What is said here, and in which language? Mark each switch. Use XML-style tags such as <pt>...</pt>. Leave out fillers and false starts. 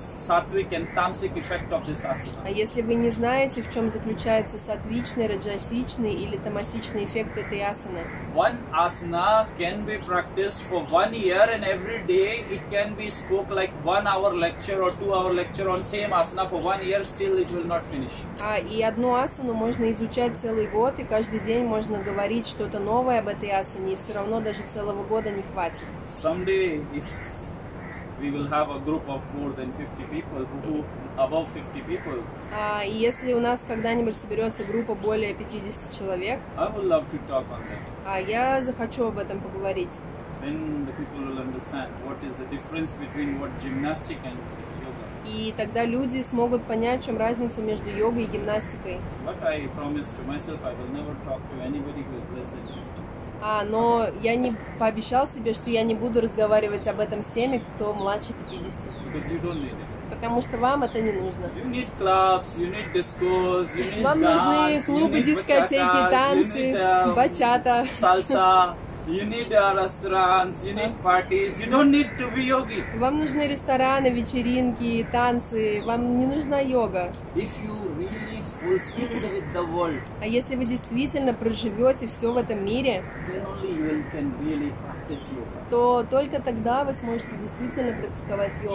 <en>сатвик and тамсик effect of this асана.</en> <ru>А если вы не знаете, в чем заключается сатвичный, раджасичный или тамасичный эффект этой асаны?</ru> <en>One asana can be practiced for 1 year and every day it can be spoke like 1 hour lecture or 2 hour lecture on same asana for 1 year, still it will not finish.</en> <ru>А и одну асану можно изучать целый год, и каждый день можно говорить что-то новое об этой асане, и все равно даже целого года не хватит.</ru> <en>Someday, if we will have a group of more than 50 people, who above 50 people.</en> <ru>И если у нас когда-нибудь соберется группа более 50 человек,</ru> <en>I would love to talk on that.</en> <ru>Я захочу об этом поговорить.</ru> <en>Then the people will understand what is the difference between what gymnastic and yoga.</en> <ru>И тогда люди смогут понять, в чем разница между йогой и гимнастикой.</ru> <en>But I promise to myself, I will never talk to anybody who is less than 50.</en> <ru>Но я не пообещал себе, что я не буду разговаривать об этом с теми, кто младше 50.</ru> <en>Because you don't need it.</en> <ru>Потому что вам это не нужно.</ru> <en>You need clubs, you need discos, you need</en> <ru>вам</ru> <en>dance,</en> <ru>нужны клубы,</ru> <en>you need</en> <ru>дискотеки,</ru> <en>bachatas,</en> <ru>танцы, бачата,</ru> <en>сальса, you need restaurants, you need parties, you don't need to be yogi.</en> <ru>Вам нужны рестораны, вечеринки, танцы, вам не нужна йога.</ru> <en>If you really fulfilled with the world,</en> <ru>а если вы действительно проживете все в этом мире,</ru> <en>then only you can really practice yoga.</en> <ru>То только тогда вы сможете действительно практиковать йогу.</ru>